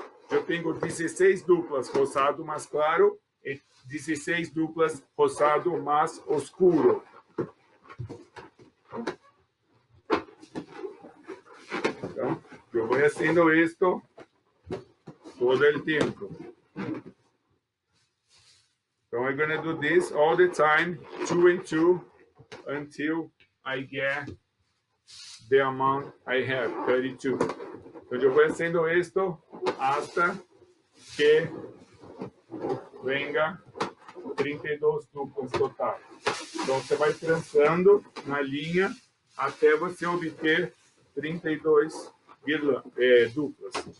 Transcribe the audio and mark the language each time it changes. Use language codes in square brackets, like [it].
[pt] Eu tenho 16 duplas rosado mais claro e 16 duplas rosado mais oscuro. Então, eu vou fazendo isso todo o tempo. [en] Então, I'm going to do this all the time, two and two, until I get the amount I have, 32. [pt] Então, eu vou fazendo isso até que venga 32 duplas total. Então, você vai trançando na linha até você obter 32 duplas.